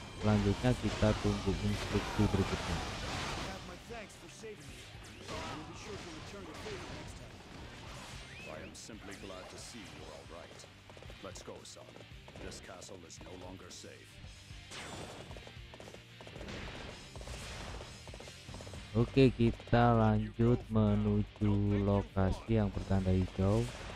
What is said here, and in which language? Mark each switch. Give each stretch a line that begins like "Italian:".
Indonesian: Selanjutnya kita tunggu instruksi berikutnya.
English: I am simply glad to see you all right. Let's go, son. This castle is no longer safe.
Indonesian: Oke, kita lanjut menuju lokasi yang bertanda hijau.